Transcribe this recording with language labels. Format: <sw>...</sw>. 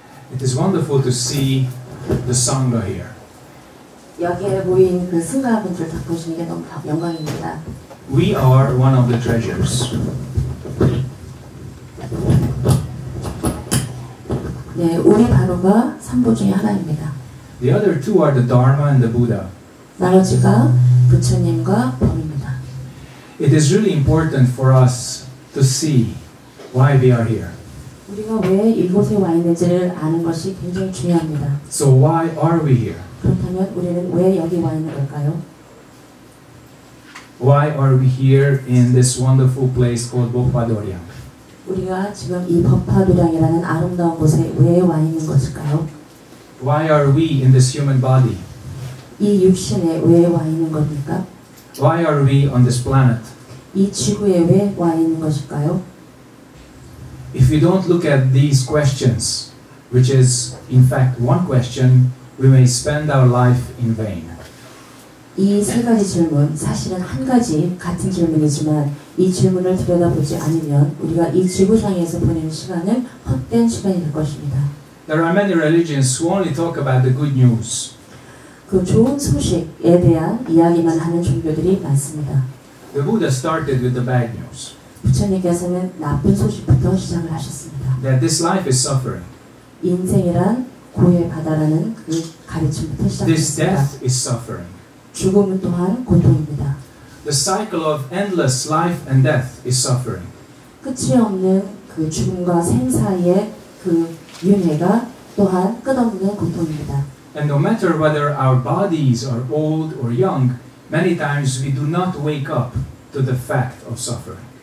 <en>It is wonderful to see the Sangha here.</en> <ko>여기에 모인 그 승가분들 다 보시는 게 너무 영광입니다.</ko> <en>We are one of the treasures.</en> <ko>네, 우리 바로가 삼보 중에 하나입니다.</ko> <en>The other two are the Dharma and the Buddha.</en> <ko>나머지가 부처님과 법입니다.</ko> <en>It is really important for us to see why we are here.</en> <ko>우리가 왜 이곳에 와 있는지를 아는 것이 굉장히 중요합니다.</ko> <en>So why are we here?</en> <ko>그렇다면 우리는 왜 여기 와 있는 걸까요?</ko> <en>Why are we here in this wonderful place called Bopadoryang?</en> <ko>우리가 지금 이 법화도량이라는 아름다운 곳에 왜 와 있는 것일까요?</ko> <en>Why are we in this human body?</en> <ko>이 육신에 왜 와 있는 겁니까?</ko> <en>Why are we on this planet?</en> <ko>이 지구에 왜 와 있는 것일까요?</ko> <en>If we don't look at these questions, which is in fact one question, we may spend our life in vain.</en> <ko>이 세 가지 질문, 사실은 한 가지 같은 질문이지만 이 질문을 들여다보지 않으면 우리가 이 지구상에서 보내는 시간은 헛된 시간이 될 것입니다.</ko> <en>There are many religions who only talk about the good news.</en> <ko>그 좋은 소식에 대한 이야기만 하는 종교들이 많습니다.</ko> <en>The Buddha started with the bad news.</en> <ko>부처님께서는 나쁜 소식부터 시작을 하셨습니다.</ko> <en>That this life is suffering.</en> <ko>인생이란 고해 바다라는 그 가르침부터 시작했습니다.</ko> <en>This death is suffering.</en> <ko>죽음은 또한 고통입니다.</ko> <en>The cycle of endless life and death is suffering.</en> <ko>끝이 없는 그 죽음과 생 사이의 그 윤회가 또한 끝없는 고통입니다.</ko> <en>And no matter whether our bodies are old or young, many times we do not wake up to the fact of suffering.</en>